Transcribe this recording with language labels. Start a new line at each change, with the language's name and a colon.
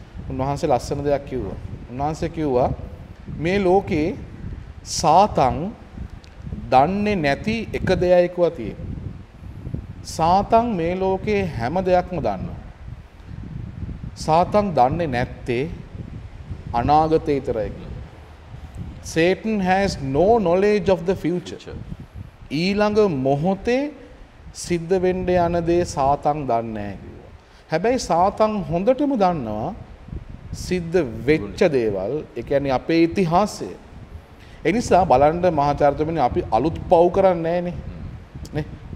Sinhala: උන්වහන්සේ ලස්සන දෙයක් කිව්වා. උන්වහන්සේ කිව්වා මේ ලෝකේ සාතන් දන්නේ නැති එක දෙයක් කොහොමද තියෙන්නේ. සාතන් මේ ලෝකේ හැම දෙයක්ම දන්නවා. සාතන් දන්නේ නැත්තේ අනාගතේ විතරයි කියලා.
English: Satan has no knowledge of the future.
Sinhala: ඊළඟ මොහොතේ සිද්ධ වෙන්න යන දේ සාතන් දන්නේ නැහැ කිව්වා. හැබැයි සාතන් හොඳටම දන්නවා සිද්ධ වෙච්ච දේවල්, ඒ කියන්නේ අපේ ඉතිහාසය. ඒ නිසා බලන්න මහාචාර්යතුමනි අපි අලුත් පව් කරන්නේ නැහැ නේ.